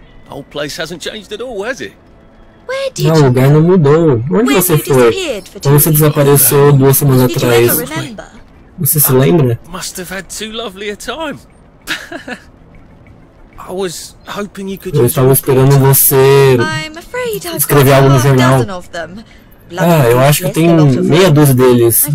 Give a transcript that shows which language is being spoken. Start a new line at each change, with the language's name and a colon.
English: O place hasn't changed at all, has it? Where did
Portuguese: não,
English: you
Portuguese: o lugar não mudou. Onde você foi? Onde você desapareceu duas semanas atrás? Você se lembra?
English: Must have had too lovely a time. I was hoping you could.
Portuguese: Eu estava esperando você escrever algo no jornal. Ah, eu acho que tem meia dúzia deles.